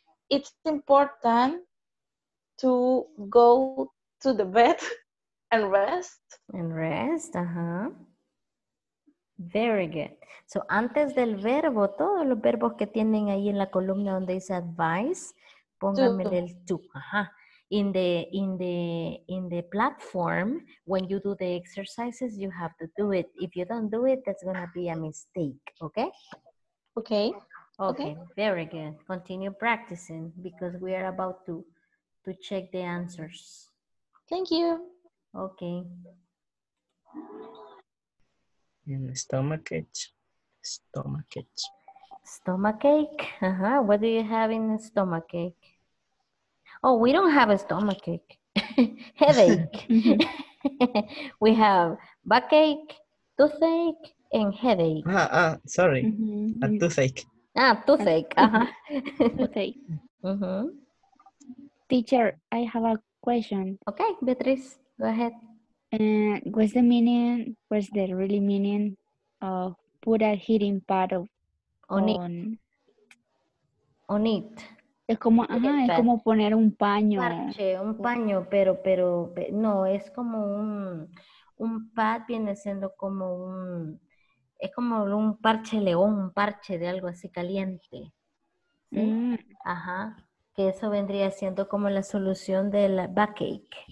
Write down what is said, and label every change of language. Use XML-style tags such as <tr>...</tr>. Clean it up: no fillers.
<en>It's important to go to the bed and rest. And rest, uh-huh. Very good.</en> <es>So, antes del verbo, todos los verbos que tienen ahí en la columna donde dice advice, póngame el to. Ajá.</es> <en>In the platform, when you do the exercises, you have to do it. If you don't do it, that's going to be a mistake. Okay? Okay. Okay. Very good. Continue practicing because we are about to check the answers. Thank you. Okay. In stomachache. Uh-huh. What do you have in stomachache? Oh, we don't have a stomachache. Headache. We have backache, toothache, and headache. Sorry. Mm-hmm. A toothache. Toothache. Teacher, I have a question. Okay, Beatriz, go ahead. What's the really meaning of put a heating pad on it?</en> <es>Es como, es como poner un paño. Parche, un paño, pero no, es como un pad viene siendo como un, es como un parche león, un parche de algo así caliente. ¿Sí? Mm. Ajá, que eso vendría siendo como la solución del backache.</es>